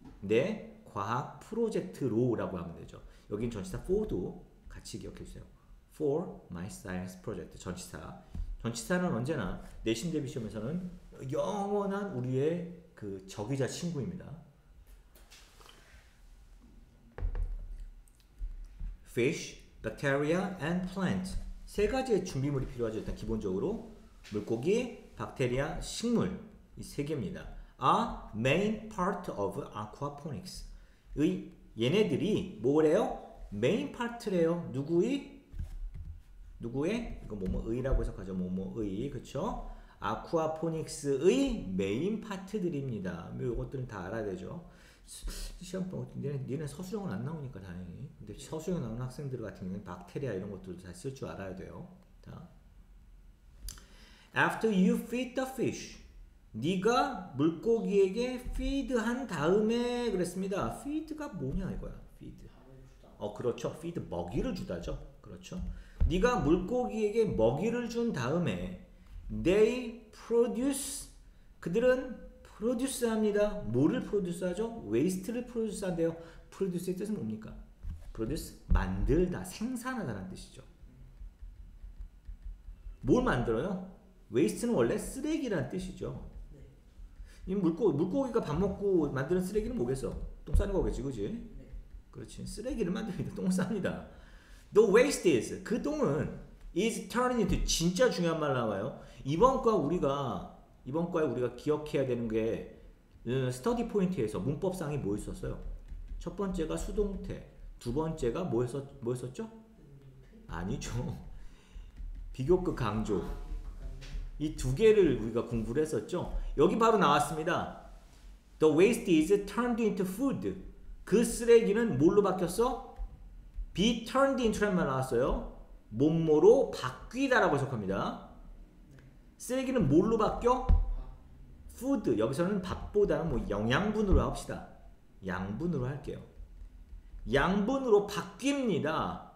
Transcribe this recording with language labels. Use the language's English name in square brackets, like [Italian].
[Korean] 내 과학 프로젝트로라고 하면 되죠. 여긴 전치사 for도 같이 기억해 주세요. [English] for my science project. 전치사. [Korean] 전치사는 언제나 내신대 시험에서는 영원한 우리의 그 적이자 친구입니다. [English] fish, bacteria and plant. [Korean] 세 가지의 준비물이 필요하죠. 일단 기본적으로 물고기, 박테리아, 식물. 이세 개입니다. [English] a main part of aquaponics. [Korean] 이 얘네들이 뭐래요? main part래요. 누구의? 누구의? 이거 뭐뭐 의라고 해석하죠. 뭐뭐 의, 그쵸? 아쿠아포닉스의 메인 파트들입니다. 이것들은 다 알아야 되죠. 시험 보고 얘네 서술형은 안 나오니까 다행히. 근데 서술형 나오는 학생들 같은 경우는 박테리아 이런 것들도 잘 쓸 줄 알아야 돼요. 자. [English] After you feed the fish, [Korean] 네가 물고기에게 feed한 다음에 그랬습니다. feed가 뭐냐 이거야. feed. 그렇죠. feed 먹이를 주다죠. 그렇죠. 네가 물고기에게 먹이를 준 다음에 [English] they produce [Korean] 그들은 프로듀스합니다. 뭐를 프로듀스하죠? 웨이스트를 프로듀스한대요. 프로듀스의 뜻은 뭡니까? 프로듀스 만들다, 생산하다는 뜻이죠. 뭘 만들어요? 웨이스트는 원래 쓰레기란 뜻이죠. 이 물고기가 밥 먹고 만드는 쓰레기는 뭐겠어? 똥 싸는 거겠지, 그지? 그렇지. 쓰레기를 만듭니다. 똥 쌉니다. [English] The waste is [Korean] 그 똥은 [English] is turning into [Korean] 진짜 중요한 말 나와요. 이번 과에 우리가 기억해야 되는 게 스터디 포인트에서 문법상이 뭐 있었어요? 첫 번째가 수동태, 두 번째가 뭐였었죠? 아니죠. 비교급 강조. 이 두 개를 우리가 공부를 했었죠. 여기 바로 나왔습니다. [English] The waste is turned into food. [Korean] 그 쓰레기는 뭘로 바뀌었어? Be turned into란 말 나왔어요. 뭐뭐로 바뀌다라고 해석합니다. 쓰레기는 뭘로 바뀌어? food. 여기서는 밥보다는 뭐 영양분으로 합시다. 양분으로 할게요. 양분으로 바뀝니다.